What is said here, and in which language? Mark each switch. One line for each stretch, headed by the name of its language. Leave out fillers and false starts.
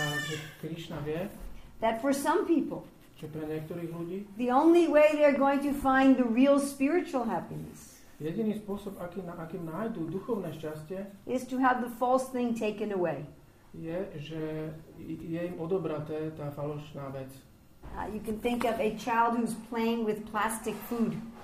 Slovak: že Krishna vie,
English: that for some people,
Slovak: že pre niektorých ľudí,
English: the only way they're going to find the real spiritual happiness,
Slovak: jediný spôsob, akým nájdú duchovné šťastie,
English: is to have the false thing taken away.
Slovak: Je, že je im odobraté tá falošná vec.
English: You can think of a child who's playing with plastic food.